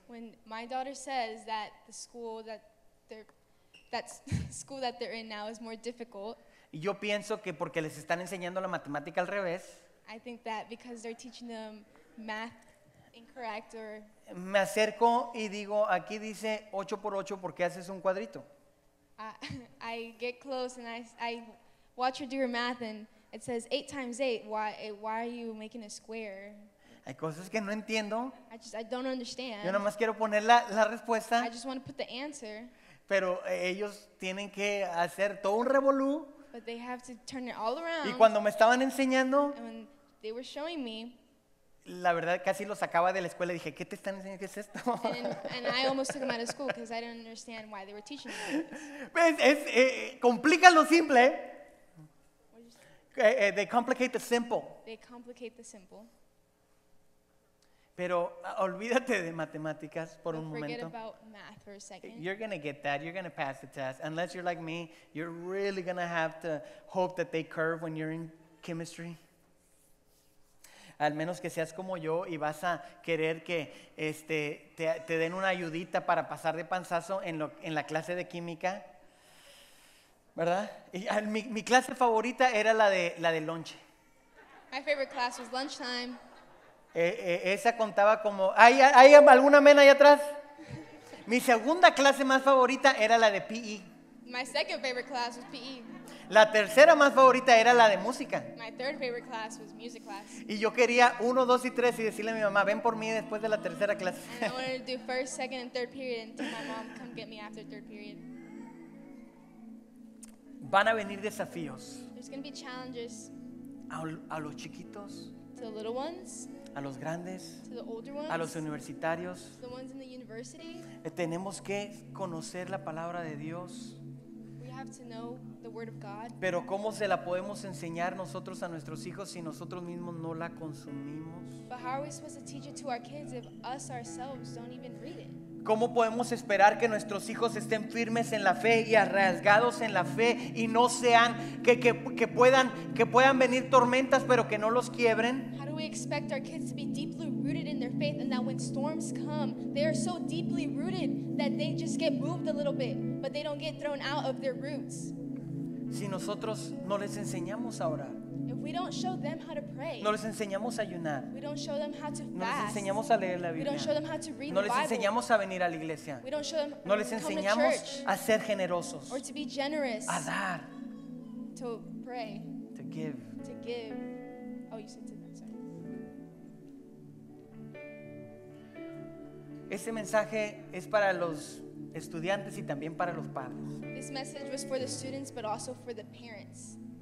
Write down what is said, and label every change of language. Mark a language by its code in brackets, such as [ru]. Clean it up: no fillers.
[en] When my daughter says that the school that they're in now is more difficult. [es] Yo pienso que porque les están enseñando la matemática al revés. [en] I think that because they're teaching them math incorrect or. [es] Me acerco y digo, aquí dice 8 por 8, ¿por qué haces un cuadrito? [en] I get close and I watch her do her math and it says 8 times 8, why are you making a square? [es] Hay cosas que no entiendo. [en] I don't understand. [es] Yo nada más quiero poner la respuesta. [en] I just want to put the answer. [es] Pero ellos tienen que hacer todo un revolú. [en] But they have to turn it all around. [es] Y cuando me estaban enseñando, [en] and when they were showing me, [es] la verdad casi los sacaba de la escuela y dije, ¿qué te están enseñando? ¿Qué es esto? [en] And I almost took them out of school because I didn't understand why they were teaching me this. [es] Es complica lo simple. [en] They complicate the simple. They complicate the simple. [es] Pero olvídate de matemáticas por un momento. [en] Forget about math for a second. You're going to get that. You're going to pass the test. Unless you're like me, you're really going to have to hope that they curve when you're in chemistry. [es] Al menos que seas como yo y vas a querer que te den una ayudita para pasar de panzazo en la clase de química. ¿Verdad? Y mi clase favorita era la de lunch. [en] My favorite class was lunchtime. [es] Esa contaba como... ¿Hay alguna amén ahí atrás? Mi segunda clase más favorita era la de PE. [en] My second favorite class was PE. [es] La tercera más favorita era la de música. [en] My third favorite class was music class. [es] Y yo quería 1, 2 y 3 y decirle a mi mamá, ven por mí después de la tercera clase. [en] And I wanted to do first, second and third period and tell my mom, come get me after third period. [es] Van a venir desafíos. [en] There's going to be challenges. [es] A los chiquitos. [en] To the little ones. [es] A los grandes. [en] To the older ones. [es] A los universitarios. [en] The ones in the university. [es] Tenemos que conocer la palabra de Dios. [en] have to know the word of God. [es] Pero ¿cómo se la podemos enseñar nosotros a nuestros hijos si nosotros mismos no la consumimos? [en] But how are we supposed to teach it to our kids if us ourselves don't even read it? [es] ¿Cómo podemos esperar que nuestros hijos estén firmes en la fe y arraigados en la fe y no sean que puedan venir tormentas pero que no los quiebren? [en] How do we expect our kids to be deeply rooted in their faith and that when storms come they are so deeply rooted that they just get moved a little bit but they don't get thrown out of their roots? [es] Si nosotros no les enseñamos a orar, [en] if we don't show them how to pray, [es] no les enseñamos a ayunar, [en] we don't show them how to fast, [es] no les enseñamos a leer la Biblia, [en] we don't show them how to read the Bible, [es] no les enseñamos a venir a la iglesia, [en] we don't show them, [es] no les enseñamos a ser generosos, [en] or to be generous, [es] a dar, [en] to pray, to give, to give. Oh, you said to that, sorry. [es] Este mensaje es para los estudiantes y también para los padres. [en] This message was for the students but also for the parents.